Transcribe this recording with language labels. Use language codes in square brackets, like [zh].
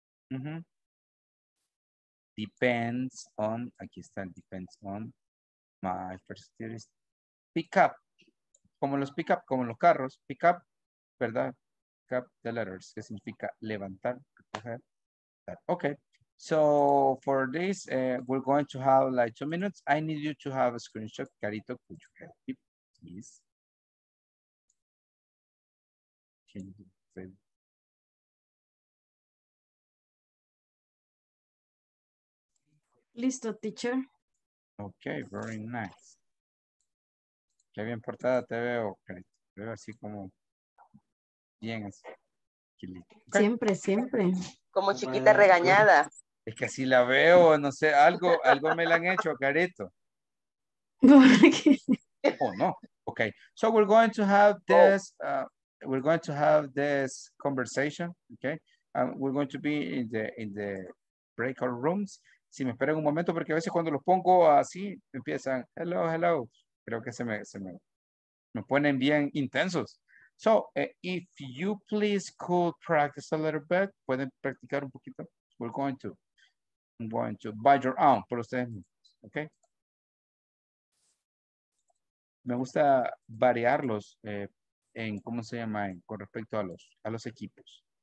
[en] Mm-hmm. Depends on, [es] aquí está, [en] depends on my first theorist. [es] Pick up, como los pick up, como los carros, pick up, ¿verdad? [en] Pick up the letters, [es] que significa levantar, recoger. [en] Okay, so for this, we're going to have like 2 minutes. I need you to have a screenshot. Carito, could you help me, please? Can you say? [es] Listo, teacher. [en] Okay, very nice. [es] Qué bien portada te veo, Carito. Te veo así como bien así. Okay. Siempre, siempre. Como chiquita regañada. Es que así la veo, no sé, algo, algo me la han hecho, Carito. [en] Oh, no. Okay. So we're going to have this, we're going to have this conversation. Okay. We're going to be in the breakout rooms. [es] Si me esperan un momento, porque a veces cuando los pongo así, empiezan, [en] hello, hello. [es] Creo que se me ponen bien intensos. [en] So, if you please could practice a little bit, [es] pueden practicar un poquito. [en] I'm going to by your own, [es] por ustedes mismos, [en] okay? [es] Me gusta variarlos en cómo se llama con respecto a los equipos.